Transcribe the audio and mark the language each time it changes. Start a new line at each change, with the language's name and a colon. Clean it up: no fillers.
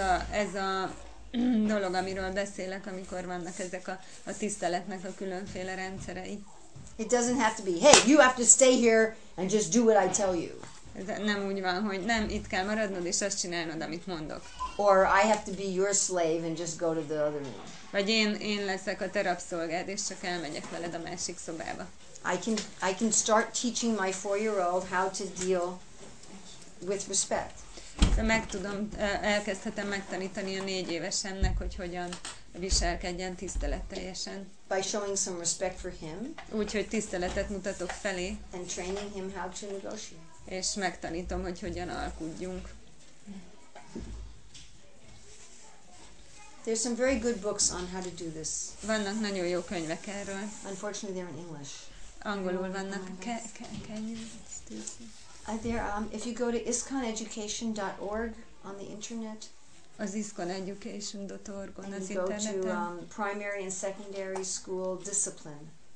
Hungarian: Ez a dolog, amiről beszélek, amikor vannak ezek a tiszteletnek a különféle rendszerei.
English: It doesn't have to be, hey, you have to stay here and just do what I tell you.
Hungarian: Nem úgy van, hogy nem, itt kell maradnod és azt csinálnod, amit mondok.
English: Or I have to be your slave and just go to the other room.
Hungarian: Vagy én leszek a te rabszolgád és csak elmegyek veled a másik szobába.
English: I can start teaching my 4-year-old how to deal with respect.
Hungarian: Elkezdhetem megtanítani a 4 évesemnek, hogy hogyan viselkedjen tiszteletteljesen.
English: By showing some respect for him.
Hungarian: Úgyhogy tiszteletet mutatok felé.
English: And training him how to negotiate.
Hungarian: És megtanítom, hogy hogyan alkudjunk.
English: There's some very good books on how to do this.
Hungarian: Vannak nagyon jó könyvek erről.
English: Unfortunately, they're in English.
Hungarian: Angolul vannak.
English: Can you still see? If you go to iskoneducation.org on the internet.
Hungarian: Az iskoneducation.org on az interneten.
English: you go to primary and secondary school discipline.